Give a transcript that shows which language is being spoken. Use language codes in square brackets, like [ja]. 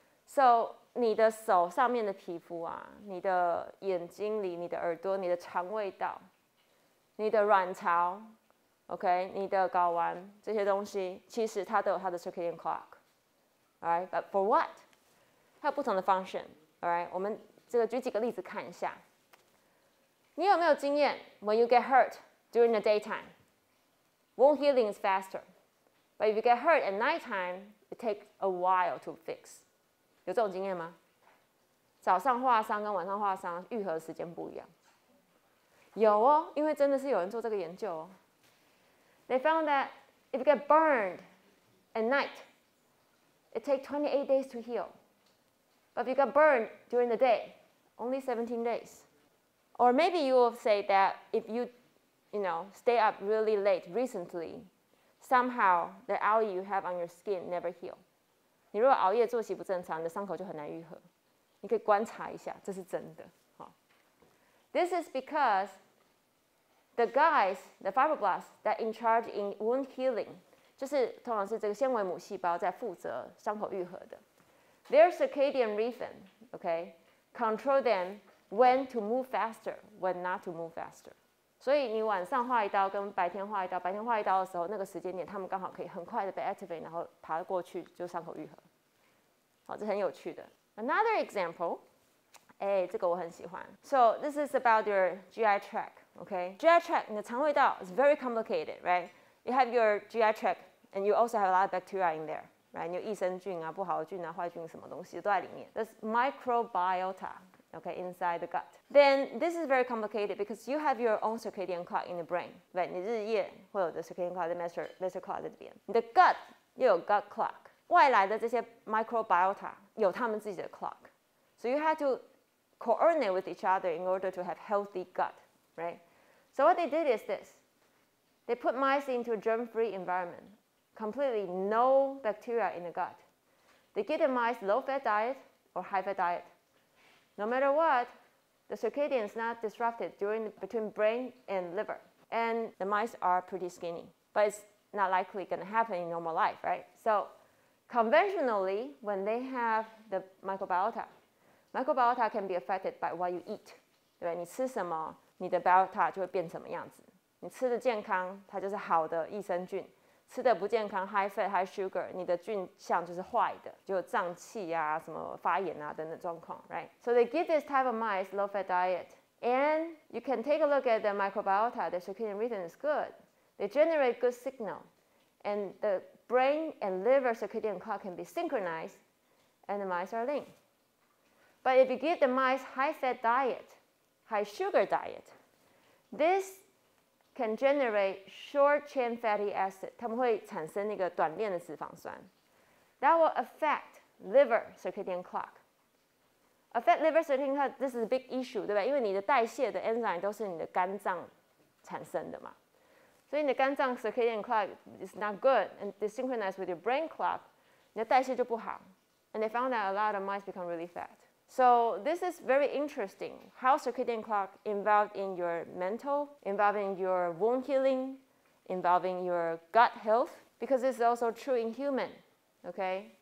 [zh] So, 你的手上面的皮肤啊，你的眼睛里，你的耳朵，你的肠胃道，你的卵巢 ,okay? 你的睾丸这些东西其实它都有它的 circadian clock. Alright? [en] But for what? [zh] 它有不同的 function. Alright? 我们这个举几个例子看一下。你有没有经验 [en] ,when you get hurt during the daytime, wound healing is faster. But if you get hurt at nighttime, it takes a while to fix. [zh] 有这种经验吗？早上化伤跟晚上化伤愈合的时间不一样。有哦，因为真的是有人做这个研究哦。 [en] They found that if you get burned at night, it takes 28 days to heal. But if you got burned during the day, only 17 days. Or maybe you will say that if you, you know, stay up really late recently, somehow the alley you have on your skin never heal. [zh] 你如果熬夜作息不正常，你的伤口就很难愈合。你可以观察一下，这是真的。 [en] This is because the guys, the fibroblasts that in charge in wound healing, [zh] 就是通常是这个纤维母细胞在负责伤口愈合的。 [en] Their circadian rhythm, okay, control them when to move faster, when not to move faster. [zh] 所以你晚上划一刀跟白天划一刀，白天划一刀的时候，那个时间点他们刚好可以很快的被 activate， 然后爬过去就伤口愈合。好，这很有趣的。 [en] Another example, [zh] 哎，这个我很喜欢。 [en] So this is about your GI tract, okay? GI tract, [zh] 你的肠胃道 [en] is very complicated, right? You have your GI tract, and you also have a lot of bacteria in there. [zh] Right, 你有益生菌啊、不好的菌啊、坏菌什么东西都在里面。 [en] That's microbiota, okay, inside the gut. Then this is very complicated because you have your own circadian clock in the brain, right? [zh] 你日夜会有的 circadian clock, [en] the menstrual clock [zh] 在这边。你的 gut 又有 gut clock, 外来的这些 microbiota 有他们自己的 clock. [en] So you have to coordinate with each other in order to have healthy gut, right? So what they did is this. They put mice into a germ-free environment. Completely no bacteria in the gut. They give the mice low-fat diet or high-fat diet. No matter what, the circadian is not disrupted during, between brain and liver. And the mice are pretty skinny. But it's not likely going to happen in normal life, right? So conventionally, when they have the microbiota, microbiota can be affected by what you eat. [zh] 对吧？你吃什么，你的 biota 就会变什么样子。你吃的健康，它就是好的益生菌。吃的不健康 ， [en] high fat, high sugar， [zh] 你的菌相就是坏的，就有胀气啊、什么发炎啊等等状况 ，right? [en] So they give this type of mice low fat diet, and you can take a look at the microbiota. The circadian rhythm is good. They generate good signal, And the brain and liver circadian clock can be synchronized, and the mice are lean. But if you give the mice high-fat diet, high-sugar diet, this can generate short-chain fatty acid. [zh] 他们会产生那个短链的脂肪酸. [en] That will affect liver circadian clock. Affect liver circadian clock, this is a big issue, [zh] 对吧? 因为你的代谢的 enzyme 都是你的肝脏产生的嘛. 所以你的肝脏 [en] circadian clock is not good and desynchronized with your brain clock, [zh] 你的代谢就不好. [en] And they found that a lot of mice become really fat. So this is very interesting, how circadian clock involved in your mental, involving your wound healing, involving your gut health, because it's also true in human, okay?